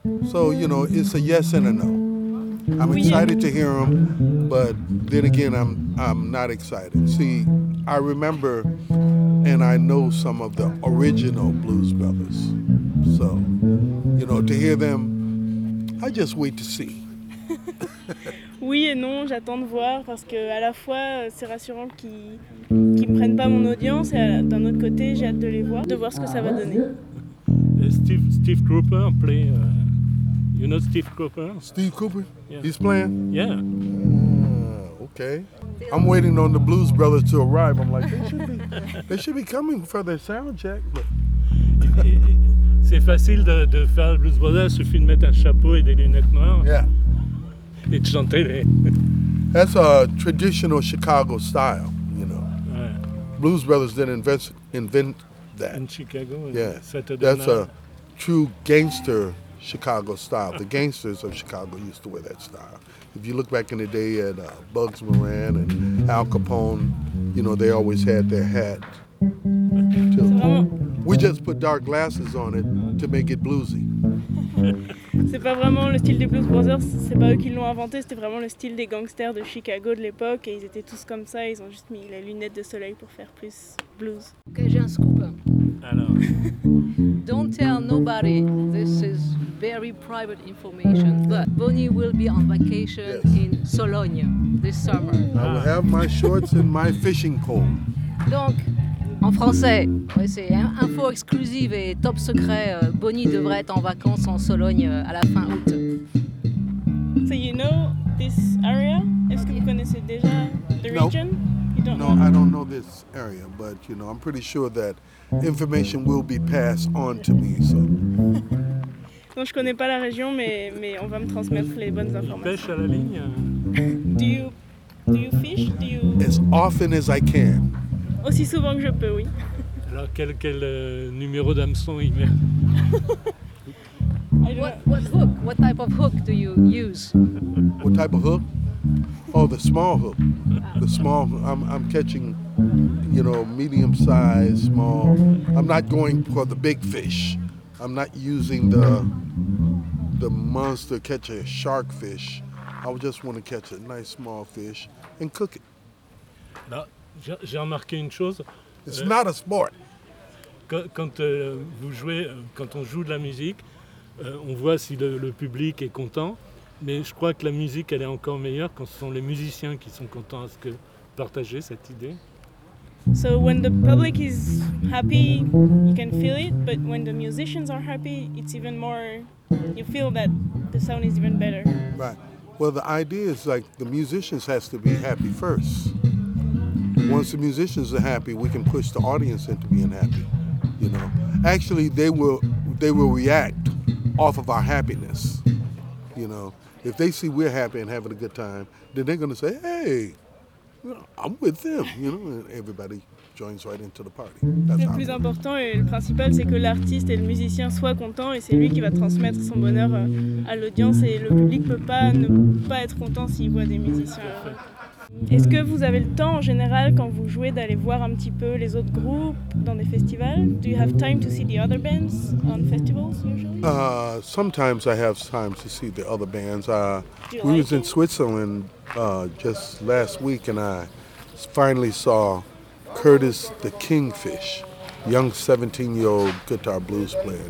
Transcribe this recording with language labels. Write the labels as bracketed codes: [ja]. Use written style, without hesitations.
[en] So, you know, it's a yes and a no. I'm excited to hear them, but then again, I'm not excited. See, I remember and I know some of the original Blues Brothers. So, you know, to hear them, I just wait to see. [fr] Oui et non, j'attends de voir parce que à la fois c'est rassurant qu'ils ne prennent pas mon audience et d'un autre côté, j'ai hâte de les voir, de voir ce que ça va donner. [en] Steve Cropper play. You know Steve Cooper? Steve Cooper? Yeah. He's playing? Yeah. Okay. I'm waiting on the Blues Brothers to arrive. I'm like, they should be coming for their sound check. [fr] C'est facile de faire le Blues Brothers, il suffit de mettre un chapeau et des lunettes noires. [en] Yeah. [fr] Et de chanter. [en] That's a traditional Chicago style, you know. [fr] Ouais. [en] Blues Brothers didn't invent that. In Chicago? Yeah. Saturday That's night. A true gangster Chicago style. The gangsters of Chicago used to wear that style. If you look back in the day at Bugs Moran and Al Capone, you know, they always had their hat. Too. We just just put dark glasses on it to make it bluesy. [fr] C'est pas vraiment le style des Blues Brothers, c'est pas eux qui l'ont inventé, c'était vraiment le style des gangsters de Chicago de l'époque, et ils étaient tous comme ça, ils ont juste mis les lunettes de soleil pour faire plus blues. Ok, j'ai un scoop. Alors. [en] Don't tell nobody, this is very private information, but Bonnie will be on vacation, yes, in Sologne this summer. I will have my shorts and my fishing pole. [fr] Donc, en français, oui, c'est info exclusive et top secret. Bonnie devrait être en vacances en Sologne à la fin août. [en] So you know this area? [fr] Est-ce que vous connaissez déjà [en] the region? No, I don't know this area, but you know, I'm pretty sure that information will be passed on to me. So. [fr] Non, je connais pas la région, mais on va me transmettre les bonnes informations. Pêche à la ligne. [en] Do you fish? Do you? As often as I can. [fr] Aussi souvent que je peux, oui. Alors, quel numéro d'hameçon il met? [en] What hook? What type of hook do you use? What type of hook? Oh, the small hook. The small hook. I'm catching, you know, medium size, small. I'm not going for the big fish. I'm not using the monster catcher shark fish. I just want to catch a nice small fish and cook it. [fr] Bah, j'ai remarqué une chose. [en] It's not a sport. [fr] Quand on joue de la musique, on voit si le public est content. Mais je crois que la musique, elle est encore meilleure quand ce sont les musiciens qui sont contents à ce que partager cette idée. [en] So when the public is happy, you can feel it. But when the musicians are happy, it's even more. You feel that the sound is even better. Right. Well, the idea is like the musicians has to be happy first. Once the musicians are happy, we can push the audience into being happy. You know, actually, they will react off of our happiness. You know, if they see we're happy and having a good time, then they're going to say, hey, I'm with them, you know, and everybody joins right into the party. That's [fr] le plus important et le principal, c'est que l'artiste et le musicien soient contents, et c'est lui qui va transmettre son bonheur à l'audience, et le public ne peut pas ne pas être content s'il voit des musiciens. Est-ce que vous avez le temps en général quand vous jouez d'aller voir un petit peu les autres groupes dans des festivals? [en] Do you have time to see the other bands on festivals usually? Sometimes I have time to see the other bands. In Switzerland just last week, and I finally saw Curtis the Kingfish, young 17-year-old guitar blues player.